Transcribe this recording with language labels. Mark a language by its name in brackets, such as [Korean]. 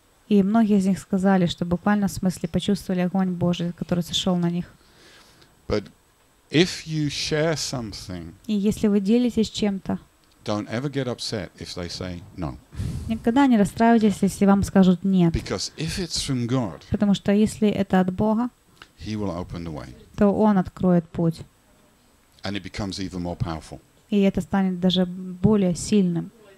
[Russian] И многие из них сказали, что буквально в смысле почувствовали огонь Божий, который сошел на них. И если вы делитесь чем-то, [English] don't ever get upset if they say no. [Russian] Никогда не расстраивайтесь, если вам скажут нет. [English] Because if it's from God. [Russian] Потому что если это от Бога. [English] He will open the way. [Russian] То он откроет путь. [English] And it becomes even more powerful. [Russian] И это станет даже более сильным.